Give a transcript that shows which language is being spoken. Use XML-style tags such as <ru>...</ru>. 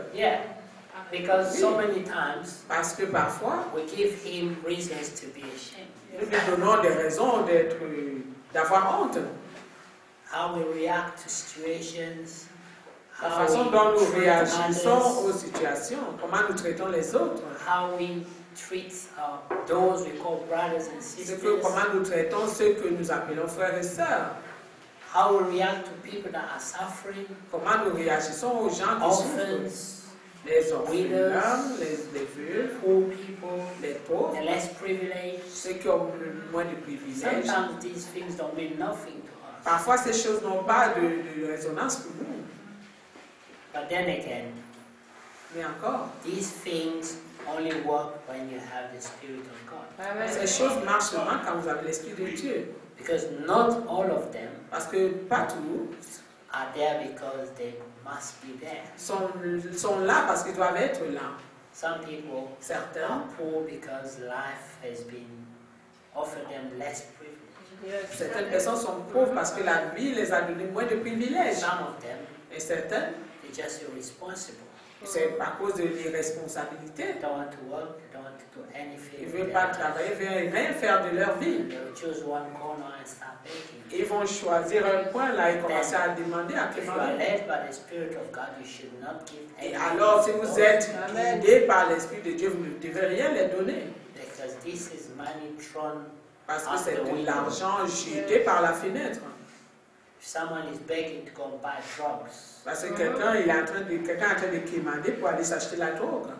<en>Yeah. Because so many times,</en> <fr>parce que parfois,</fr> <en>we give him reasons to be ashamed.</en> <fr>Nous lui donnons des raisons d'avoir honte.</fr> <en>How we react to situations,</en> <fr>la façon dont nous réagissons aux situations, comment nous traitons les autres.</fr> <en>How we treat those we call brothers and sisters.</en> <fr>Comment nous traitons ceux que nous appelons frères et sœurs.</fr> <en>How we react to people that are suffering,</en> <fr>comment nous réagissons aux gens qui</fr> <en>orphans,</en> <fr>les orphelins, les veuves,</fr> <en>poor people,</en> <fr>les pauvres,</fr> <en>the less privileged,</en> <fr>ceux qui ont moins de privilèges.</fr> <en>Sometimes these things don't mean nothing to us.</en> <fr>Parfois ces choses n'ont pas de résonance pour nous.</fr> <en>But then again,</en> <fr>mais encore,</fr> <en>these things only work when you have the Spirit of God.</en> <fr>Ces choses marchent seulement quand vous avez l'Esprit de Dieu.</fr> <en>Because not all of them,</en> <fr>parce que pas tous,</fr> <en>are there because they must be there.</en> <fr>Sont là parce qu'ils doivent être là.</fr> <en>Some people,</en> <fr>certains,</fr> <en>are poor because life has been offered them less privilege.</en> <fr>Certaines personnes sont pauvres parce que la vie les a donné moins de privilèges.</fr> <en>Some of them,</en> <fr>et certains,</fr> <en>they're just irresponsible.</en> <fr>C'est à cause de l'irresponsabilité.</fr> <en>They don't want to work, they don't want to do anything.</en> <fr>Ils ne veulent pas travailler, ils veulent rien faire de leur vie.</fr> <en>They'll choose one corner and start begging.</en> <fr>Ils vont choisir un point là et commencer à demander à quelqu'un.</fr> <en>If you are led by the Spirit of God, you should not give anything.</en> <fr>Et alors, si vous êtes guidé par l'Esprit de Dieu, vous ne devez rien leur donner.</fr> <en>Because this is money thrown.</en> <fr>Parce que c'est de l'argent jeté par la fenêtre.</fr> <en>If someone is begging to go buy drugs.</en> <fr>Parce que quelqu'un est en train de quémander pour aller s'acheter la drogue.</fr>